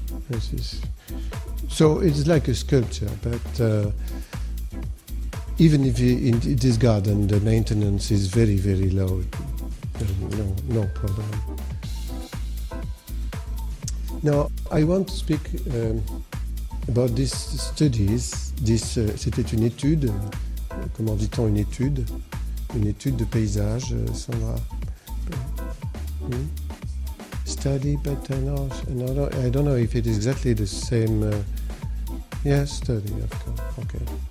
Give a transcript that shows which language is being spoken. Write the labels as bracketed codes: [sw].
[en] This is, so it's like a sculpture, but even if in this garden the maintenance is very, very low, no problem. Now, I want to speak about these studies, this [fr] c'était une étude, comment dit-on, une étude de paysage, Sandra. [en] Study, but another, I don't know if it is exactly the same. Yes, study, of course. Okay.